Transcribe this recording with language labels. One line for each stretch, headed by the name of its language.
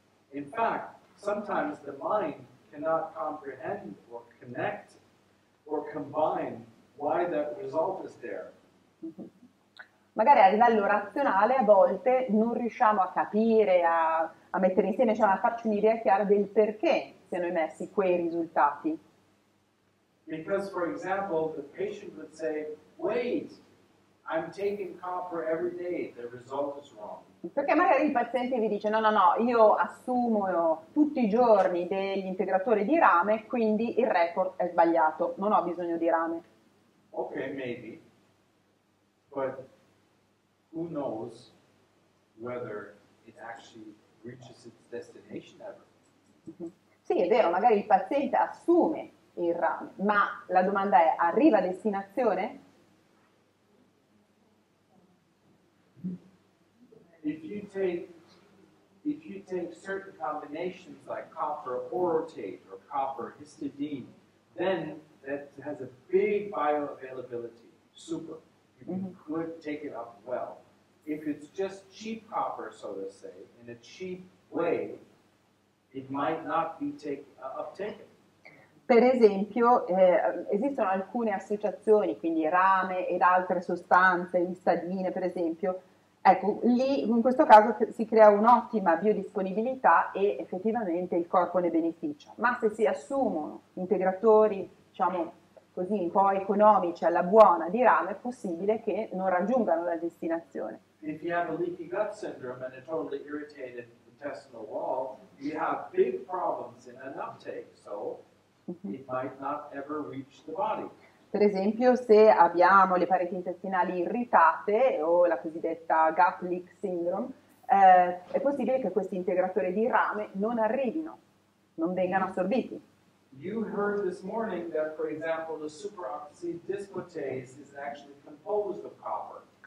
English: In fact, sometimes the mind cannot comprehend or connect or combine why that result is there.
Italian: Magari a livello razionale a volte non riusciamo a capire, a mettere insieme, cioè a farci un'idea chiara del perché siano emessi quei risultati.
English: Because, for example, the patient would say, wait, I'm taking copper every day, the result is wrong.
Italian: Perché magari il paziente vi dice, no, io assumo tutti i giorni degli integratori di rame, quindi il report è sbagliato, non ho bisogno di rame.
English: Ok, maybe, but who knows whether it actually reaches its destination ever?
Italian: Sì, è vero, magari il paziente assume il rame, ma la domanda è, arriva a destinazione?
English: If you take certain combinations like copper orotate or copper histidine, then that has a big bioavailability. Super. could take it up well. If it's just cheap copper, so to say, in a cheap way, it might not be uptaken.
Italian: Per esempio, esistono alcune associazioni, quindi rame ed altre sostanze, istadine per esempio, ecco, lì in questo caso si crea un'ottima biodisponibilità e effettivamente il corpo ne beneficia. Ma se si assumono integratori, diciamo così, un po' economici alla buona di rame, è possibile che non raggiungano la destinazione.
English: If you have a leaky gut syndrome and a totally irritated intestinal wall, you have big problems in an uptake, so it might not ever reach the body.
Italian: Per esempio, se abbiamo le pareti intestinali irritate o la cosiddetta gut leak syndrome, è possibile che questi integratori di rame non arrivino, non vengano assorbiti.
English: You heard this morning that, for example, the superoxide dismutase is actually composed of copper.